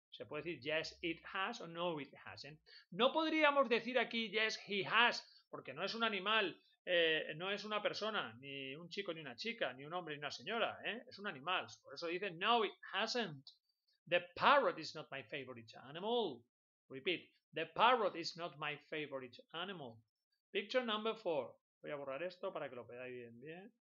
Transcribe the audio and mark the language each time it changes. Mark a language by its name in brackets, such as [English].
[Spanish] Se puede decir [English] yes, it has [Spanish] o [English] no, it hasn't. [Spanish] No podríamos decir aquí [English] yes, he has, [Spanish] porque no es un animal, no es una persona, ni un chico ni una chica, ni un hombre ni una señora, es un animal. Por eso dice [English] no, it hasn't. The parrot is not my favorite animal. Repeat, the parrot is not my favorite animal. Picture number 4. [Spanish] Voy a borrar esto para que lo veáis bien.